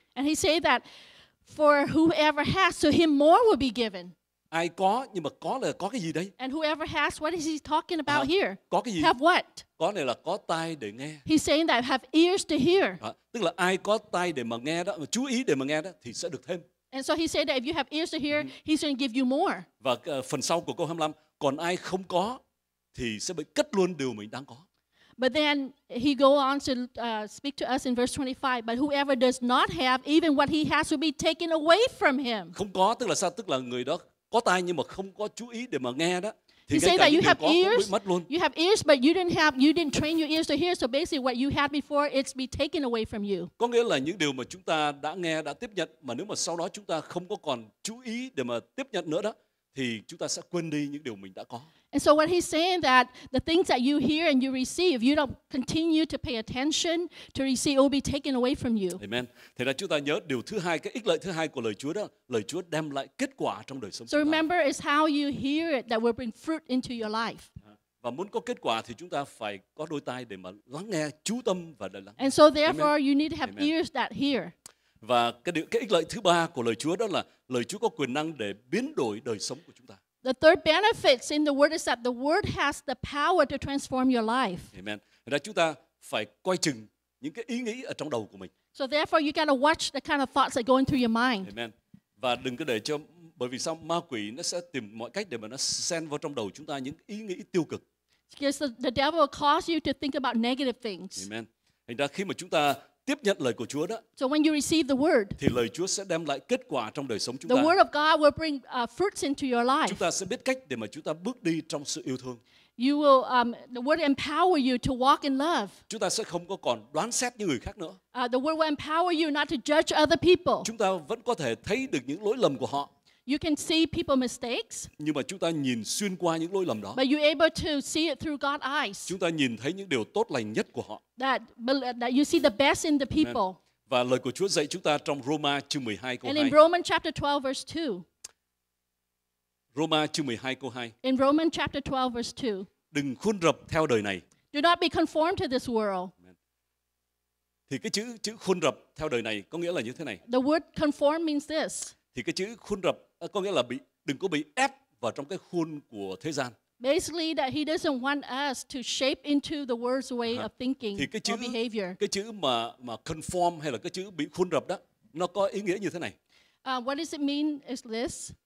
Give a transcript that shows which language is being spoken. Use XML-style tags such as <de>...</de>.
<en>And he say that for whoever has, to him more will be given.</en> <vi>Ai có, nhưng mà có là có cái gì đây?</vi> <en>And whoever has, what is he talking about here?</en> <vi>Có cái gì?</vi> <en>Have what?</en> <vi>Có này là có tai để nghe.</vi> <en>He's saying that have ears to hear.</en> <vi>Tức là ai có tai để mà nghe đó, mà chú ý để mà nghe đó thì sẽ được thêm.</vi> <en>And so he say that if you have ears to hear, mm-hmm. he's going to give you more.</en> <vi>Và phần sau của câu 25, còn ai không có thì sẽ bị cất luôn điều mình đang có.</vi> <en>But then he go on to speak to us in verse 25. But whoever does not have, even what he has will be taken away from him.</en> <vi>Không có tức là sao? Tức là người đó có tai nhưng mà không có chú ý để mà nghe đó.</vi> <en>He say that you have ears. You have ears, but you didn't train your ears to hear. So basically, what you had before, it's be taken away from you.</en> <vi>Có nghĩa là những điều mà chúng ta đã nghe, đã tiếp nhận, mà nếu mà sau đó chúng ta không có còn chú ý để mà tiếp nhận nữa đó, thì chúng ta sẽ quên đi những điều mình đã có.</vi> <en>And so what he's saying that the things that you hear and you receive, if you don't continue to pay attention to receive, it will be taken away from you. Amen.</en> <vi>Thế là chúng ta nhớ điều thứ hai, cái ích lợi thứ hai của lời Chúa đó, lời Chúa đem lại kết quả trong đời sống.</vi> <en>So remember, it's how you hear it that will bring fruit into your life.</en> <vi>Và muốn có kết quả thì chúng ta phải có đôi tai để mà lắng nghe, chú tâm và để lắng.</vi> <en>And so therefore, you need to have ears that hear.</en> <vi>Và cái ích lợi thứ ba của lời Chúa đó là lời Chúa có quyền năng để biến đổi đời sống của chúng ta.</vi> <en>The third benefit in the word is that the word has the power to transform your life. Amen.</en> <vi>Thì chúng ta phải coi chừng những cái ý nghĩ ở trong đầu của mình.</vi> <en>So therefore you gotta watch the kind of thoughts that go through your mind. Amen.</en> <vi>Và đừng có để cho, bởi vì sao, ma quỷ nó sẽ tìm mọi cách để mà nó xen vào trong đầu chúng ta những ý nghĩ tiêu cực.</vi> <en>Because the devil will cause you to think about negative things. Amen.</en> <vi>Thành ra khi mà chúng ta tiếp nhận lời của Chúa đó.</vi> <en>So when you receive the word,</en> <vi>thì lời Chúa sẽ đem lại kết quả trong đời sống chúng</vi> <en>the</en> <vi>ta.</vi> <en>The word of God will bring fruits into your life.</en> <vi>Chúng ta sẽ biết cách để mà chúng ta bước đi trong sự yêu thương.</vi> <en>You will the word empower you to walk in love.</en> <vi>Chúng ta sẽ không có còn đoán xét những người khác nữa.</vi> <en>The word will empower you not to judge other people.</en> <vi>Chúng ta vẫn có thể thấy được những lỗi lầm của họ.</vi> <en>You can see people's mistakes.</en> <vi>Nhưng mà chúng ta nhìn xuyên qua những lỗi lầm đó.</vi> <en>But you're able to see it through God's eyes.</en> <vi>Chúng ta nhìn thấy những điều tốt lành nhất của họ.</vi> <en>That you see the best in the people.</en> <vi>Và lời của Chúa dạy chúng ta trong Roma chương 12 câu 2.</vi> <en>And in Romans chapter 12 verse 2.</en> <vi>Roma chương 12 câu 2.</vi> <en>In Romans chapter 12 verse 2.</en> <vi>Đừng khuôn rập theo đời này.</vi> <en>Do not be conformed to this world.</en> <vi>Thì cái chữ khuôn rập theo đời này có nghĩa là như thế này.</vi> <en>The word conform means this.</en> <vi>Thì cái chữ khuôn rập có nghĩa là đừng có bị ép vào trong cái khuôn của thế gian.</vi> <en>Basically that he doesn't want us to shape into the world's way of thinking or behavior.</en> <vi>Cái chữ mà conform hay là cái chữ bị khuôn rập đó nó có ý nghĩa như thế này.</vi> <en>What does it mean is this?</en>